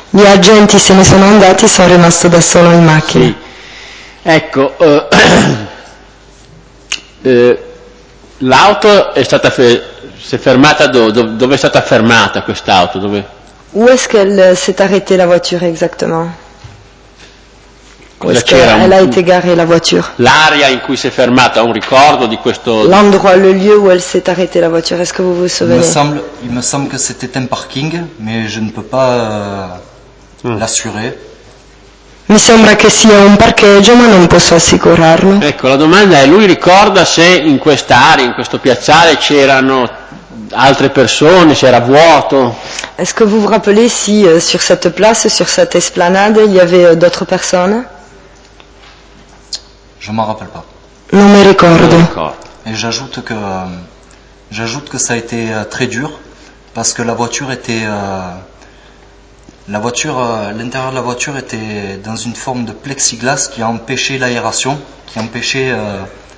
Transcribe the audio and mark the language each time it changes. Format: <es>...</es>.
<it>Gli agenti se ne sono andati, sono rimasto da solo in macchina. Sì. Ecco, l'auto è stata si è fermata dove è stata fermata quest'auto, dove?</it> <fr>Où est-ce qu'elle s'est arrêtée la voiture exactement?</fr> <it>Cosa</it> <fr>où est-ce qu'elle a été garée la voiture?</fr> <it>L'area in cui si è fermata, un ricordo di questo.</it> <fr>L'endroit, le lieu où elle s'est arrêtée la voiture, est-ce que vous vous souvenez? Il me semble que c'était un parking, mais je ne peux pas l'assurer.</fr> <it>Mi sembra che sia un parcheggio, ma non posso assicurarlo. Ecco, la domanda è: lui ricorda se in quest'area, in questo piazzale, c'erano altre persone, c'era vuoto?</it> <fr>Est-ce que vous vous rappelez si sur cette place, sur cette esplanade, il y avait d'autres personnes? Je m'en rappelle pas.</fr> <it>Non mi ricordo.</it> <fr>Et j'ajoute que ça a été très dur parce que l'intérieur de la voiture était dans une forme de plexiglas qui a empêché l'aération, qui empêchait</fr>